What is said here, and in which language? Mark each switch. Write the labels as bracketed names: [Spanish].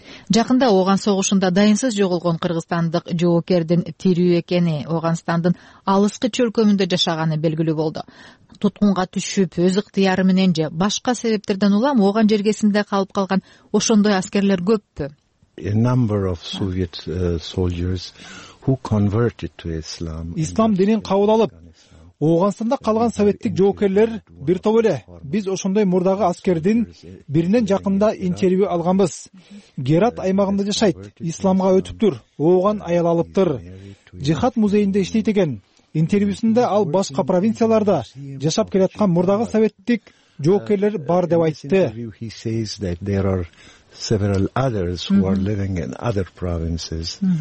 [Kyrgyz] Жакында Ооган согушунда дайынсыз жоголгон кыргызстандык жоокердин тирүү экени, Оогонстандын алыскы чөлкөмүндө жашаганы белгилүү болду. Туткунга түшүп, өз ыктыяры менен же башка себептерден улам Ооган жергесинде калып калган ошондой аскерлер көппү? [English] A number of Soviet soldiers who converted to Islam. [Kyrgyz] Ислам динин кабыл алып, Ооганстанда калган советтик жоокерлер бир топ эле. Биз ошондой мурдагы аскердин биринен жакында интервью алганбыз. Герат аймагында жашайт, исламга өтүптүр, ооган аял алыптыр. Жихад музейинде иштейт экен. Интервьюсунда ал башка провинцияларда жашап келаткан мурдагы советтик жоокерлер бар деп айтты. [English] Several others who are living in other provinces.